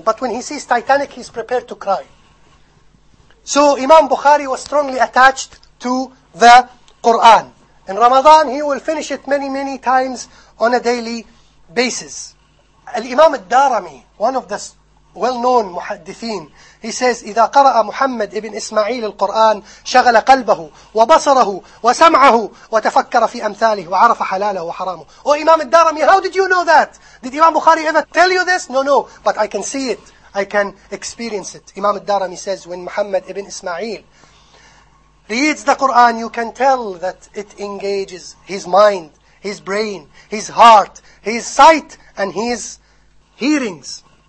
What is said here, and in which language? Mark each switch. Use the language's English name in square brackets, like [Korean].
[English] But when he sees Titanic, he's prepared to cry. So Imam Bukhari was strongly attached to the Quran. In Ramadan, he will finish it many, many times on a daily basis. Al-Imam Ad-Darami, one of the well-known muhaddithin. He says, [Arabic] إذا قرأ محمد ابن إسماعيل القرآن شغل قلبه وبصره وسمعه وتفكر في أمثاله وعرف حلاله وحرامه. [English] Oh, Imam al-Darami, how did you know that? Did Imam Bukhari ever tell you this? No, but I can see it. I can experience it. Imam al-Darami says, when Muhammad ibn Ismail reads the Quran, you can tell that it engages his mind, his brain, his heart, his sight, and his hearings.